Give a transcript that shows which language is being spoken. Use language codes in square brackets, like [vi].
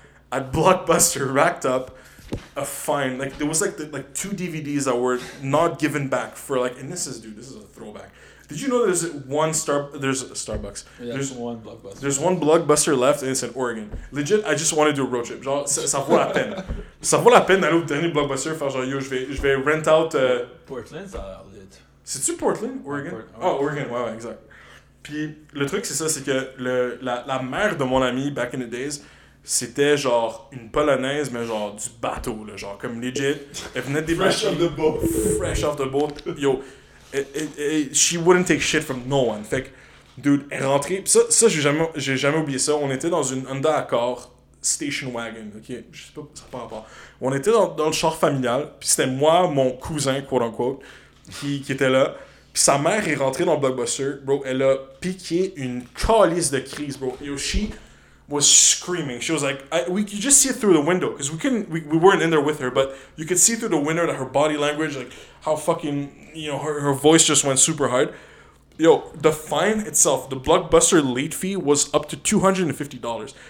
[en] At Blockbuster, racked up a fine, like there was like the, like two DVDs that were not given back for like, and this is a throwback. Did you know there's one Blockbuster left and it's in Oregon. Legit, I just want to do a road trip. [fr] Genre, ça vaut la peine. Ça vaut la peine d'aller au dernier Blockbuster, faire genre, yo, je vais [en] rent out. [fr] Portland, ça a l'air lit. C'est-tu Portland, Oregon? Oregon, ouais, exact. Puis le truc, c'est ça, c'est que la mère de mon ami, [en] back in the days, [fr] c'était genre une Polonaise, mais genre du bateau, là, genre comme legit. Elle venait des [en] fresh off the boat. Fresh off the boat. Yo. She wouldn't take shit from no one. [fr] Fait que, dude, elle rentrait. Ça j'ai jamais oublié ça. On était dans une Honda Accord station wagon. Ok, je sais pas, ça n'a pas rapport. On était dans le char familial. Puis c'était moi, mon cousin, quote unquote, qui était là. Puis sa mère est rentrée dans le Blockbuster. Bro, elle a piqué une calice de crise, bro. [en] Yo, she was screaming. She was like, we could just see it through the window. Because we weren't in there with her. But you could see through the window that her body language, like, how fucking, you know, her voice just went super hard. Yo, the fine itself, the Blockbuster late fee was up to $250.